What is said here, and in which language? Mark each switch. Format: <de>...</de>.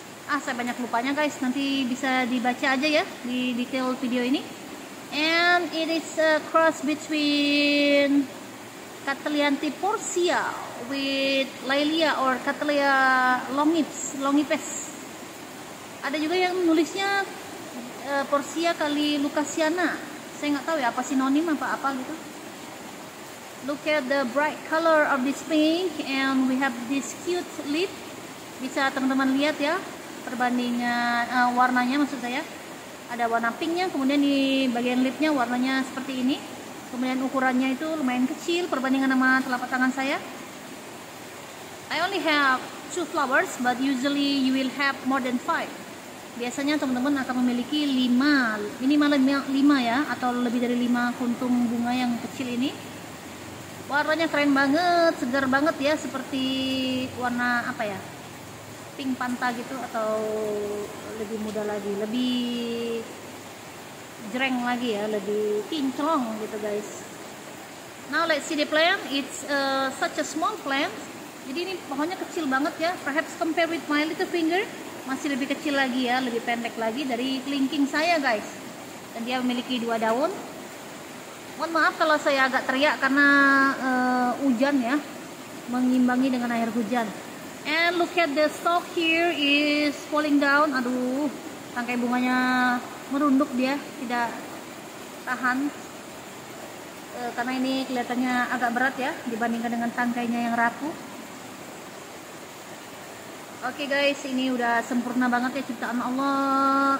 <id>Ah, saya banyak lupanya, guys. Nanti bisa dibaca aja ya di detail video ini.</id> <en>And it is a cross between Cattleyanthi Porcia with Lilia or Cattleya longipes, longipes.</en> <id>Ada juga yang nulisnya Porcia kali Lucasiana. Saya enggak tahu ya apa sinonim apa apa gitu.</id> <en>Look at the bright color of this pink and we have this cute leaf.</en> <id>Bisa teman-teman lihat ya. Perbandingan warnanya, maksud saya ada warna pinknya, kemudian di bagian lipnya warnanya seperti ini, kemudian ukurannya itu lumayan kecil perbandingan sama telapak tangan saya.</id> <en>I only have 2 flowers but usually you will have more than 5.</en> <id>Biasanya teman-teman akan memiliki 5, minimal 5 ya, atau lebih dari 5 kuntum bunga yang kecil ini. Warnanya keren banget, segar banget ya, seperti warna apa ya, pink panta gitu, atau lebih muda lagi, lebih jreng lagi ya, lebih kinclong gitu, guys.</id> <en>Now let's see the plant. It's such a small plant.</en> <id>Jadi ini pohonnya kecil banget ya,</id> <en>perhaps compare with my little finger,</en> <id>masih lebih kecil lagi ya, lebih pendek lagi dari kelingking saya, guys. Dan dia memiliki 2 daun. Mohon maaf kalau saya agak teriak karena hujan ya, mengimbangi dengan air hujan.</id> <en>And look at the stalk here is falling down.</en> <id>Aduh, tangkai bunganya merunduk dia, tidak tahan. Karena ini kelihatannya agak berat ya dibandingkan dengan tangkainya yang rapuh. Oke, guys, ini udah sempurna banget ya ciptaan Allah.</id>